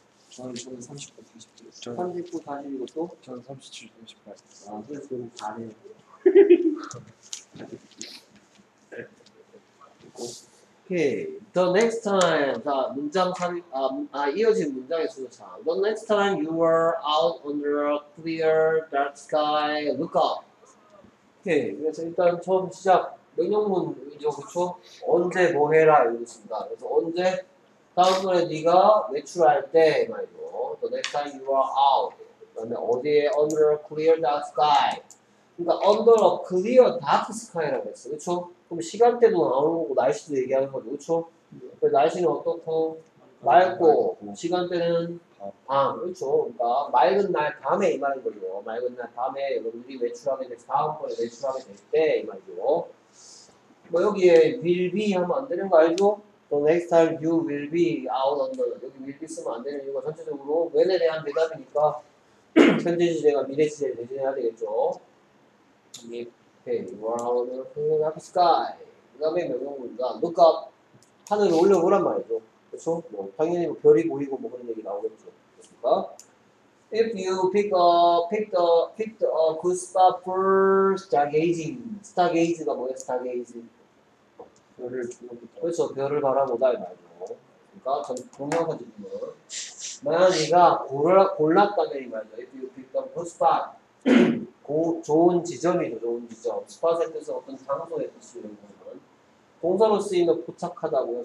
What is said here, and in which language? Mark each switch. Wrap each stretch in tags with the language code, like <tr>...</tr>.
<ko>저는 39, 40, 39, 39, 40 이것도? 저는 37, 38. 아, 39는 잘해.</ko> <en>오케이. The next time.</en> <ko>자, 문장 삽입, 아, 이어진 문장의 수도차.</ko> <en>The next time you were out under a clear dark sky, look up.</en> <ko>오케이. 그래서 일단 처음 시작. 명령문이죠, 그쵸? 언제 뭐 해라, 이랬습니다. 그래서 언제? 다음번에 네가 외출할 때, 말이죠.</ko> <en>The next time you are out. 그 다음에 어디에 under a clear dark sky.</en> <ko>그러니까 under a clear dark sky 라고 했어, 그쵸? 그럼 시간대도 나오는 거고 날씨도 얘기하는 거죠, 그쵸? 네. 날씨는 어떻고 맑고 시간대는 밤, 그쵸? 그러니까 맑은 날 밤에 이 말인 거죠. 맑은 날 밤에 여러분들이 외출하게 될 다음번에 외출하게 될 때 이 말이죠. 뭐 여기에 will be 하면 안 되는 거 알죠? The next time you will be out under 여기 will be 쓰면 안 되는 이유가 전체적으로 when에 대한 대답이니까 현재 시제가 미래 시제를 대신해야 되겠죠.</ko> <en>Okay, you are out under a clear dark sky.</en> <ko>그 다음에 명령문이가 look up. 하늘을 올려보란 말이죠. 그쵸? 뭐, 당연히 뭐 별이 보이고 뭐 그런 얘기 나오겠죠. 그렇습니까?</ko> <en>If you picked a good spot for stargazing.</en> <ko>Stargazing가 뭐예요? Stargazing. 그래서 별을 바라보다 이 말이죠. 그러니까 전 동영상 질문. 만약에 골랐다면 이 말이죠.</ko> <en>If you picked a good spot. 좋은 지점이죠. 좋은 지점.</en> <ko>스팟에 대해서 어떤 장소에 대해서 이런 것은 동사로 쓰이는 포착하다고요.</ko>